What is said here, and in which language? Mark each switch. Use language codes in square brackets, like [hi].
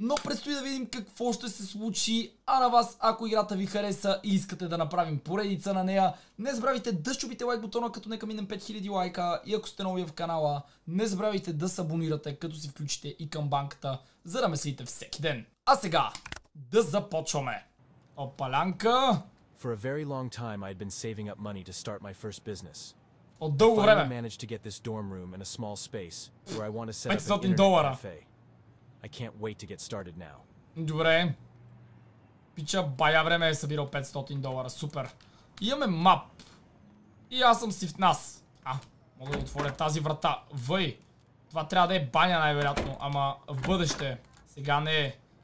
[bg] Но предстои да видим какво ще се случи, а на вас, ако играта ви хареса и искате да направим поредица на нея, не забравяйте да щупите лайк бутона, като нека минем 5000 лайка, и ако сте нови в канала, не забравяйте да се абонирате, като си включите и камбанката, за да ме следите всеки ден. А сега, да започваме! Опалянка! [en] For a very long time I'd been saving up money to start my first business. [bg] От дълго време. [en] I finally managed to get this dorm room in a small space where I want to set up an internet cafe. I can't wait to get started now. [bg] Добре. Пича, бая време е събирал $500. Супер. Имаме мап. И аз съм си в нас. А, мога да отворя тази врата. Въй. Това трябва да е баня най-вероятно. Ама в бъдеще. Сега не е.